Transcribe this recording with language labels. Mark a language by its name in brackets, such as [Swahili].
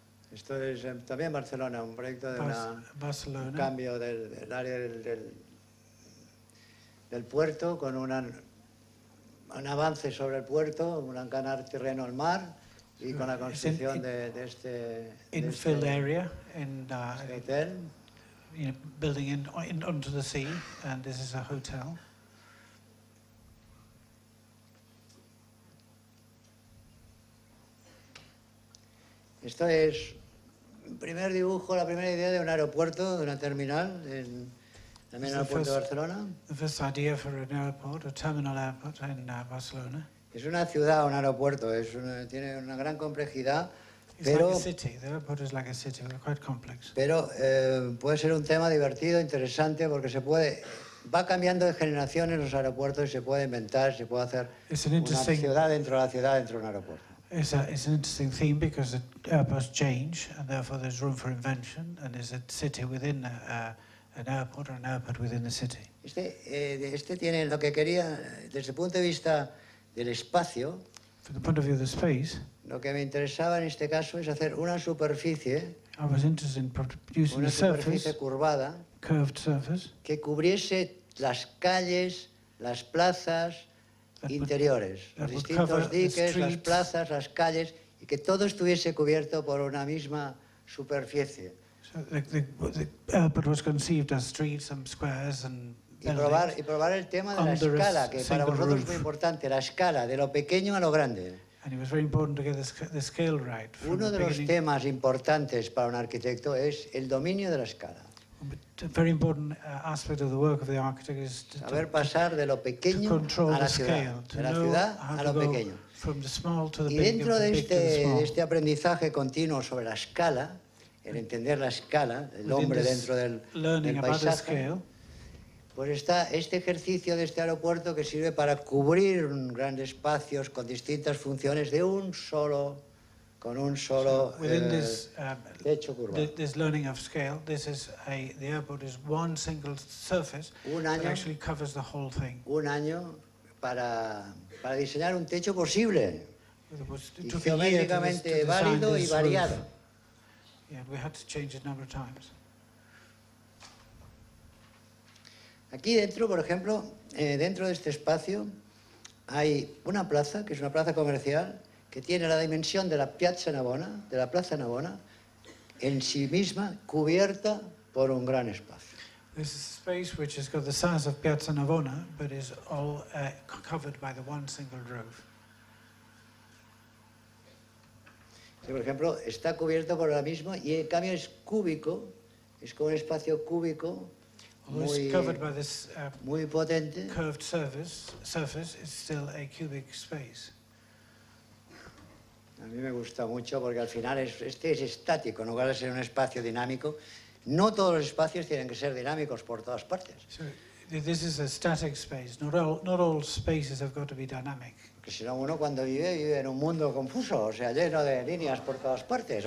[Spanish] Esto es también Barcelona, un proyecto de [English] Barcelona. [Spanish] Un cambio del área del puerto, con un avance sobre el puerto, un ganar terreno al mar y con la construcción de este [English] infill area in hotel, building in onto the sea, and this is a hotel. [Spanish] Esto es primer dibujo, la primera idea de un aeropuerto, de una terminal, también en el aeropuerto de Barcelona. [English] The first idea for an airport, a terminal airport in Barcelona. [Spanish] Es una ciudad, un aeropuerto, tiene una gran complejidad. [English] It's [Spanish] pero, [English] like a city, the airport is like a city, it's quite complex. [Spanish] Pero puede ser un tema divertido, interesante, porque va cambiando de generación en los aeropuertos y se puede inventar, se puede hacer una ciudad dentro de la ciudad, dentro de un aeropuerto. [English] It's an interesting theme because the airports change, and therefore there's room for invention, and there's a city within an airport or an airport within the city. [Spanish] Este tiene lo que quería desde el punto de vista del espacio. [English] From the point of view of the space. [Spanish] Lo que me interesaba en este caso es hacer una superficie. [English] I was interested in producing a surface. Curvada. Curved surface. [Spanish] Que cubriese las calles, las plazas, interiores, los distintos diques, las plazas, las calles, y que todo estuviese cubierto por una misma superficie. [English] But was conceived as streets and squares and [Spanish] Y probar el tema de la escala, que para vosotros es muy importante, la escala, de lo pequeño a lo grande. [English] And it was very important to get the scale right. [Spanish] Uno de los temas importantes para un arquitecto es el dominio de la escala. [English] A very important aspect of the work of the architect is to [Spanish] saber pasar de lo pequeño [English] to control [Spanish] a la ciudad, [English] scale, [Spanish] de la ciudad a lo pequeño. [English] From the small to the [Spanish] y dentro [English] big, [Spanish] de este aprendizaje continuo sobre la escala, el entender la escala, el hombre dentro del paisaje, scale, pues está este ejercicio de este aeropuerto que sirve para cubrir grandes espacios con distintas funciones de un solo techo curvado. [English] This learning of scale, the airport is one single surface that actually covers the whole thing. [Spanish] Un año para diseñar un techo posible, geométricamente válido y variado. [English] Yeah, we had to change it a number of times. [Spanish] Aquí dentro, por ejemplo, dentro de este espacio, hay una plaza, que es una plaza comercial, que tiene la dimensión de la Piazza Navona, de la Plaza Navona, en sí misma, cubierta por un gran espacio. [English] This is a space which has got the size of Piazza Navona, but is all covered by the one single roof. [Spanish] Sí, por ejemplo, está cubierta por la misma y en cambio es cúbico, es como un espacio cúbico, muy potente. [English] Curved surface is still a cubic space. [Spanish] A mí me gusta mucho porque al final este es estático, en lugar de ser un espacio dinámico. No todos los espacios tienen que ser dinámicos por todas partes. [English] So, this is a static space. Not all spaces have got to be dynamic. [Spanish] Porque si no, uno cuando vive en un mundo confuso, o sea, lleno de líneas por todas partes.